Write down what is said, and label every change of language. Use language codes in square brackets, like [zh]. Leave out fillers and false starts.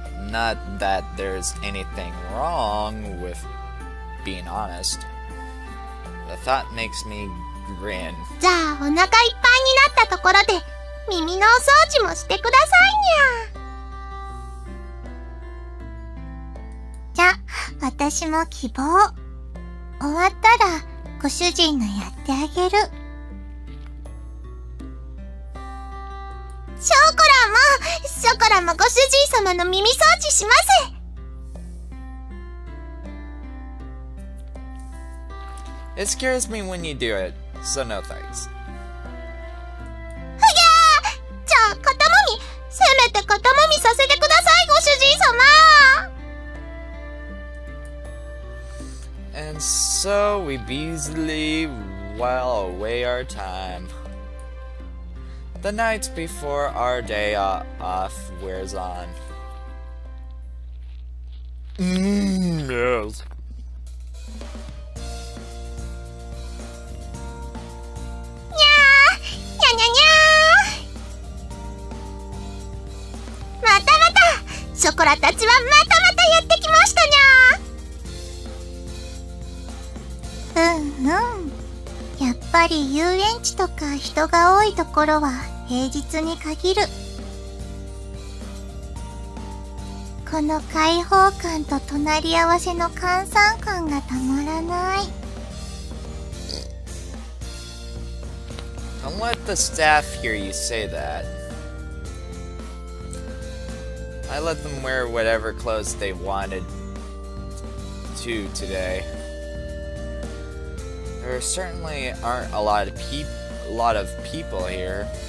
[en] Not that there's anything wrong with being honest. The thought makes me grin. [ja] じゃあお腹いっぱいになったところで耳のお掃除もしてくださいにゃ。じゃあ私も希望。終わったらご主人のやってあげる。ショコラもご主人様の耳掃除します。 [en] It scares me when you do it, so no thanks. [ja] ふぎゃー！じゃあ、肩もみ、せめて肩もみさせてください、ご主人様！ [en] And so we busily while away our time. The night before our day off wears on. Yes. [ja] Nya, nya, nya, nya. Mata, mata. Chocola tachi wa mata, mata yatte kimashita nya. Yappari yuenchi toka hito ga oi tokoro wa. 平日に限る。この開放感と隣り合わせの閑散感がたまらない。 [en] Don't let the staff hear you say that. I let them wear whatever clothes they wanted to today. There certainly aren't a lot of people here.